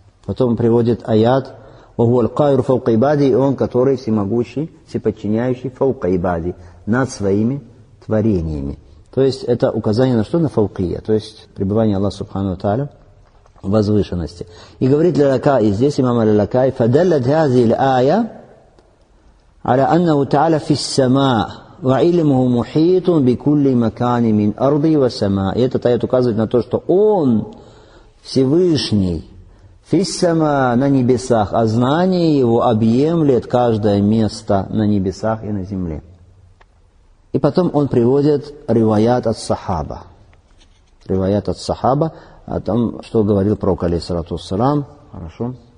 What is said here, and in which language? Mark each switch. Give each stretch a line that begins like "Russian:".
Russian: Потом он приводит аят:
Arabic: «Вагуаль кайр фаукайбади»,
Russian: и он, который всемогущий, всеподчиняющий, фаукайбади, над своими творениями. То есть это указание на что? На фаукия, то есть пребывание Аллаха Субхану ва Тааля в возвышенности. И говорит Лалакай, и здесь имам Лалакай:
Arabic: «Фадаллат хазиль ая аля аннаху тааля фиссама», وعلمه محيط بكل مكان من أرض وسماء.
Russian: И это таят указывает на то, что Он Всевышний
Arabic: في السماء
Russian: на небесах, а знание Его объемлет каждое место на небесах и на земле. И потом он приводит риваят от сахаба. Риваят от сахаба о том, что говорил пророк, алейхиссалату вассалам. Хорошо.